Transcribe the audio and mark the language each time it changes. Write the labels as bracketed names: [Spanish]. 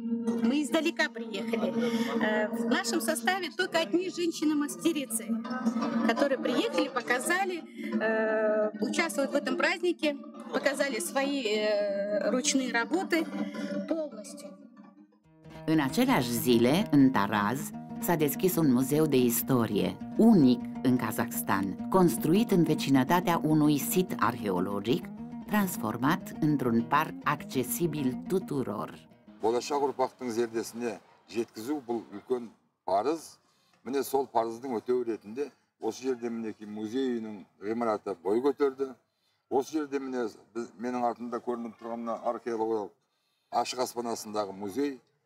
[Russian] Мы издалека приехали. В нашем составе только одни женщины-мастерицы, которые приехали, показали, участвуют в этом празднике, показали свои ручные работы полностью. [Romanian] În aceleași zile, în Taraz, s-a deschis un muzeu de istorie, unic în Kazahstan, construit în vecinătatea unui sit arheologic, transformat într-un parc accesibil tuturor. [Kazakh] Болашақ ұрпақтың зердесіне жеткізу бұл үлкен парыз. Міне сол парыздың өтеу ретінде осы жерде мінекі музейінің ғимараты бой көтерді. Осы жерде міне менің артымда көрініп тұрған археологиялық ашық аспан астындағы музей.